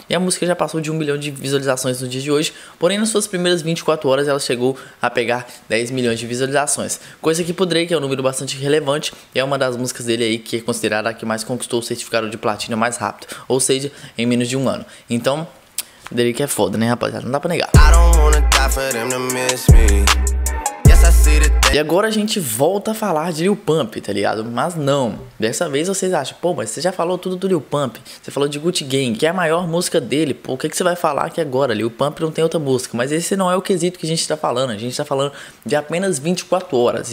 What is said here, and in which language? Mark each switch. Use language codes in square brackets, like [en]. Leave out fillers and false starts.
[pt] E a música já passou de 1 milhão de visualizações no dia de hoje. Porém, nas suas primeiras 24 horas, ela chegou a pegar 10 milhões de visualizações. Coisa que pro Drake é um número bastante relevante. E é uma das músicas dele aí que é considerada a que mais conquistou o certificado de platina mais rápido. Ou seja, em menos de um ano. Então, Drake é foda, né, rapaziada? Não dá pra negar. [en] I don't wanna die for them to miss me. [pt] E agora a gente volta a falar de Lil Pump, tá ligado? Mas não, dessa vez vocês acham, pô, mas você já falou tudo do Lil Pump, você falou de Gucci Gang, que é a maior música dele, pô, o que, que você vai falar aqui agora? Lil Pump não tem outra música, mas esse não é o quesito que a gente tá falando de apenas 24 horas.